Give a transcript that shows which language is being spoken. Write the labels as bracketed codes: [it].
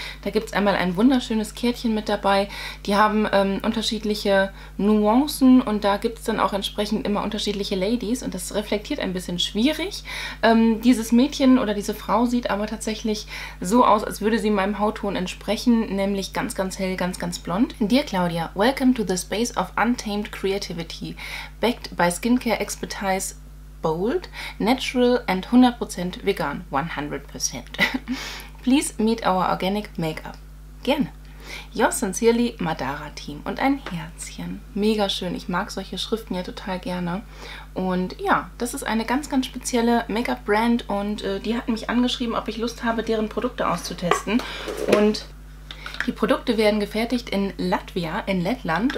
[de] Da gibt es einmal ein wunderschönes Kärtchen mit dabei. Die haben unterschiedliche Nuancen und da gibt es dann auch entsprechend immer unterschiedliche Ladies. Und das reflektiert ein bisschen schwierig. Dieses Mädchen oder diese Frau sieht aber tatsächlich so aus, als würde sie meinem Hautton entsprechen. Nämlich ganz, ganz hell, ganz, ganz blond. [en] Dear Claudia, welcome to the space of Untamed Creativity, backed by Skincare Expertise Bold, Natural and 100% Vegan, 100%. Please meet our organic makeup. [de] Gerne. [en] Yours sincerely, Madara Team. [de] Und ein Herzchen. Mega schön. Ich mag solche Schriften ja total gerne. Und ja, das ist eine ganz, ganz spezielle Make-up-Brand und die hat mich angeschrieben, ob ich Lust habe, deren Produkte auszutesten. Und die Produkte werden gefertigt in Latvia, in Lettland.